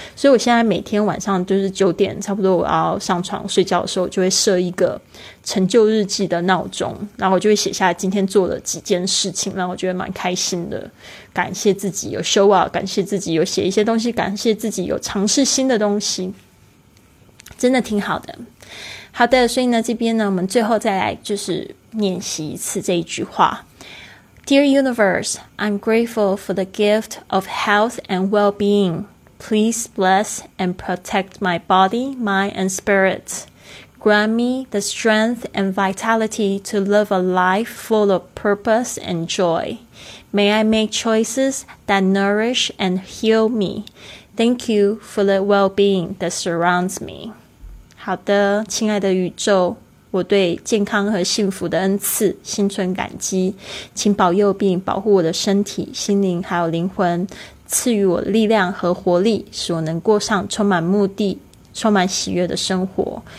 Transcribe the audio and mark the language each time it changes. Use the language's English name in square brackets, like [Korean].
[Chinese] 所以我现在每天晚上就是9点差不多我要上床睡觉的时候，就会设一个成就日记的闹钟，然后我就会写下今天做了几件事情，然后我觉得蛮开心的，感谢自己有 [English] show up， [Chinese] 感谢自己有写一些东西，感谢自己有尝试新的东西，真的挺好的。好的，所以呢这边呢我们最后再来就是练习一次这一句话。 [English] Dear Universe, I'm grateful for the gift of health and well-being. Please bless and protect my body, mind, and spirit. Grant me the strength and vitality to live a life full of purpose and joy. May I make choices that nourish and heal me. Thank you for the well-being that surrounds me. [Chinese] 好的，亲爱的宇宙，我对健康和幸福的恩赐心存感激，请保佑并保护我的身体、心灵还有灵魂，赐予我力量和活力，使我能过上充满目的、充满喜悦的生活。